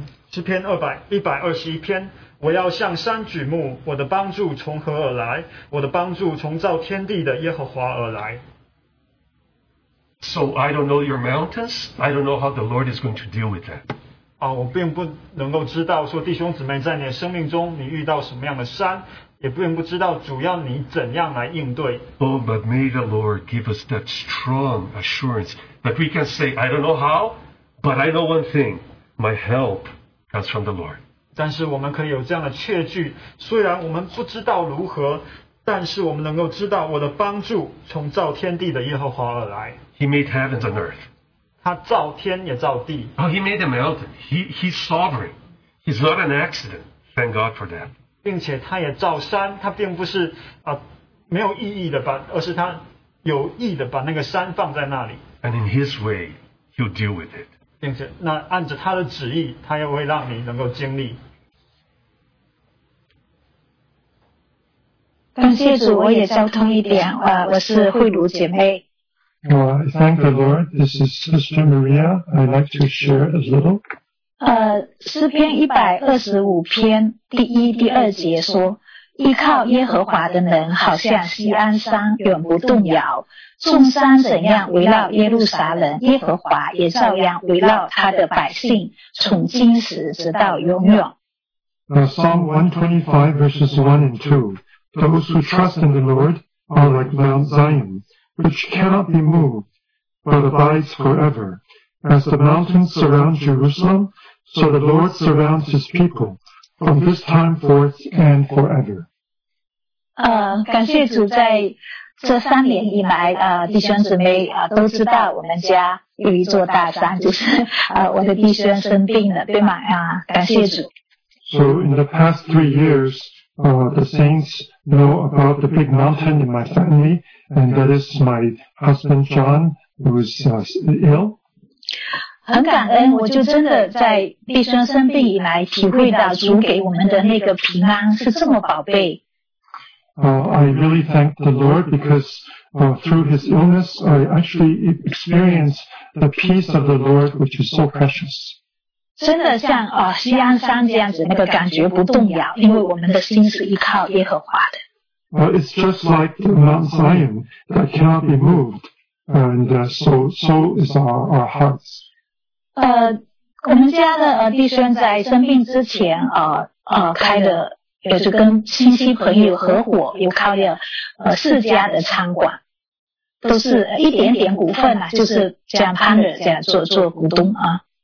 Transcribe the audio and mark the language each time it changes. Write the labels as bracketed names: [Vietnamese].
[Chinese] 诗篇121篇，我要向山举目，我的帮助从何而来？我的帮助从造天地的耶和华而来。 [English] So I don't know your mountains. I don't know how the Lord is going to deal with that. [Chinese] 我并不能够知道说弟兄姊妹在你的生命中你遇到什么样的山，也并不知道主要你怎样来应对。 [English] Oh, but may the Lord give us that strong assurance that we can say, I don't know how, but I know one thing. My help comes from the Lord. [Chinese] 但是我们可以有这样的确据，虽然我们不知道如何，但是我们能够知道我的帮助从造天地的耶和华而来。 [English] He made heavens and earth. [Chinese] 他造天也造地。 [English] Oh, he made the mountain. He's sovereign. He's not an accident. Thank God for that. [Chinese] 并且他也造山，他并不是没有意义的把，而是他有意的把那个山放在那里。 [English] And in his way, he'll deal with it. [Chinese] 并且，那按着他的旨意，他也会让你能够经历。感谢主，我也交通一点。我是慧茹姐妹。 [English] Thank the Lord. This is Sister Maria. I'd like to share a little. [Chinese] 诗篇125篇第一、第二节说，依靠耶和华的人好像锡安山永不动摇，众山怎样围绕耶路撒冷，耶和华也照样围绕他的百姓，从今时直到永远。 [English] Now, Psalm 125 verses 1 and 2. Those who trust in the Lord are like Mount Zion, which cannot be moved, but abides forever. As the mountains surround Jerusalem, so the Lord surrounds his people. From this time forth and forever. [Chinese] 感谢主，在这三年以来，弟兄姊妹都知道我们家有一座大山，就是我的弟兄生病了，对吗？感谢主。 [English] So in the past 3 years, the saints know about the big mountain in my family, and that is my husband John, who is ill. [Chinese] 很感恩，我就真的在弟兄生病以来体会到主给我们的那个平安是这么宝贝。 [English] I really thank the Lord because through his illness, I actually experienced the peace of the Lord, which is so precious. [Chinese] 真的像锡安山这样子，那个感觉不动摇，因为我们的心是依靠耶和华的。 [English] It's just like Mount Zion that cannot be moved, and so is our hearts. [Chinese] 我们家的弟兄在生病之前开了，也是跟亲戚朋友合伙，又开了4家的餐馆，都是一点点股份啦，就是这样攀着这样做股东啊。